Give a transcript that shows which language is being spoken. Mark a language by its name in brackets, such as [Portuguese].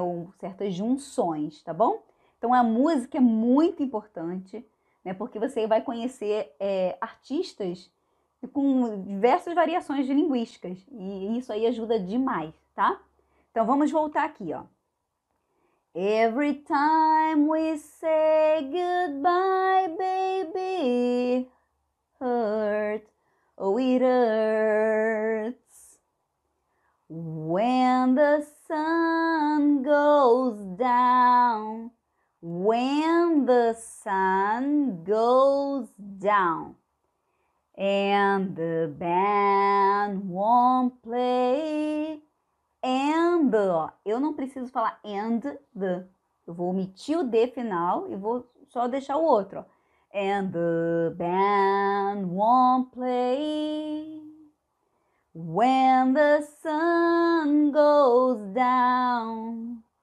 [Portuguese] Ou certas junções, tá bom? Então a música é muito importante, porque você vai conhecer artistas com diversas variações de linguísticas. E isso aí ajuda demais, tá? Então, vamos voltar aqui, ó. [English] Every time we say goodbye, baby, hurt, oh, it hurts. When the sun goes down, when the sun goes down. And the band won't play. [Portuguese] And, ó, eu não preciso falar [English] and the. [Portuguese] Eu vou omitir o D final e vou só deixar o outro, ó. [English] And the band won't play when the sun goes down.